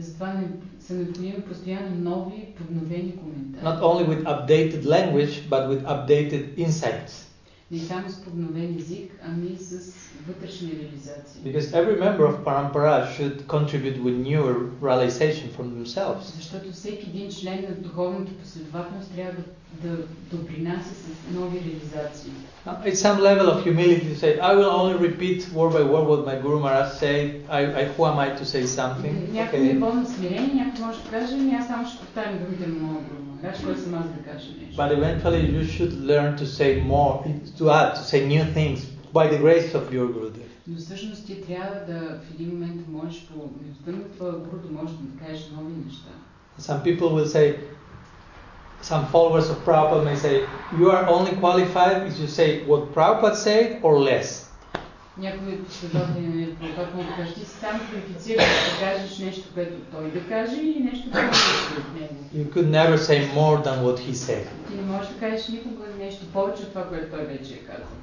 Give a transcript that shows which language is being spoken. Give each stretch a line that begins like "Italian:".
English: Not only with updated language, but with updated insights. Because every member of Parampara should contribute with newer realization from themselves.
Bulgarian: Защото всеки един член на духовната последователност трябва да допринася с нови реализации.
English: It's some level of humility to say, I will only repeat word by word what my Guru Maharaj said. I who am I to say something?
Bulgarian: Някой не бъде смирен, някой може да каже, аз само ще повтарям думите на моя Гуру Maharaj, кой съм аз да кажа нещо.
English: But eventually you should learn to say more, to add, to say new things by the grace of your Gurudev.
Bulgarian: Но всъщност ти трябва да в един момент можеш по милостта на твоя Гуру да можеш да кажеш нови неща.
English: Some people will say, some followers of Prabhupada may say, you are only qualified if you say what Prabhupada said or less.
Bulgarian: Някои последователи на Прабхупада могат да кажат, ти си сам квалифициран да кажеш нещо, което той да каже и нещо повече от него.
English: You could never say more than what he said.
Bulgarian: Ти не можеш да кажеш никога нещо повече от това, което той вече е казал.